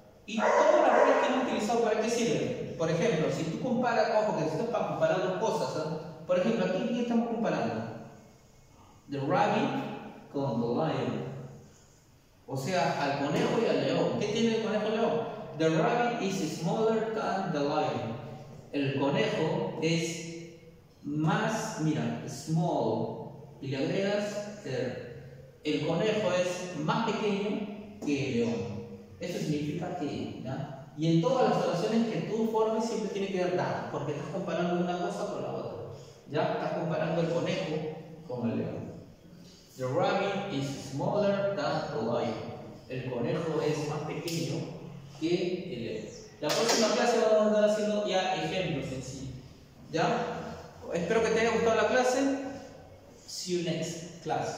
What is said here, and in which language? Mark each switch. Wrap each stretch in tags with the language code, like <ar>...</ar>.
<es>¿Y cómo la regla que han utilizado para qué sirve? Por ejemplo, si tú comparas, ojo, que esto es para comparar dos cosas, ¿sabes? Por ejemplo, aquí ¿qué estamos comparando?</es> <en>The rabbit</en> <es>con</es> <en>the lion.</en> <es>O sea, al conejo y al león. ¿Qué tiene el conejo y el león?</es> <en>The rabbit is smaller than the lion.</en> <es>El conejo es más, mira, small. Y le agregas ser. El conejo es más pequeño que el león. Eso significa que, ¿ya? Y en todas las relaciones que tú formes siempre tiene que dar that, porque estás comparando una cosa con la otra. ¿Ya? Estás comparando el conejo con el león.</es> <en>The rabbit is smaller than the lion.</en> <es>El conejo es más pequeño que el león. La próxima clase vamos a estar haciendo ya ejemplos en sí. ¿Ya? Espero que te haya gustado la clase.</es> <en>See you next class.</en>